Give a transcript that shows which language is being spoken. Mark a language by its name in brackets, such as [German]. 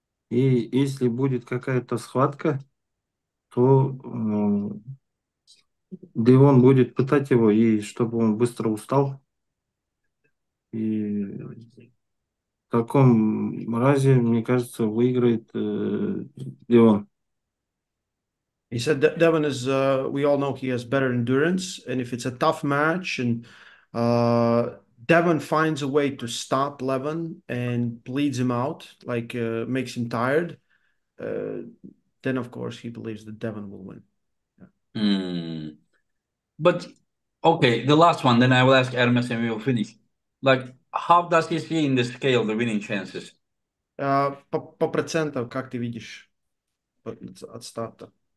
[Russian] И если будет какая-то схватка, то Девон будет пытать его, и чтобы он быстро устал. И в таком разе, мне кажется, выиграет Девон. [English] He said that Devon is, we all know he has better endurance. And if it's a tough match and Devon finds a way to stop Levan and bleeds him out, like makes him tired, then of course he believes that Devon will win. But okay, the last one, then I will ask Ermes and we will finish. Like, how does he see in the scale the winning chances? [Russian] По процентам, как ты видишь, от старта.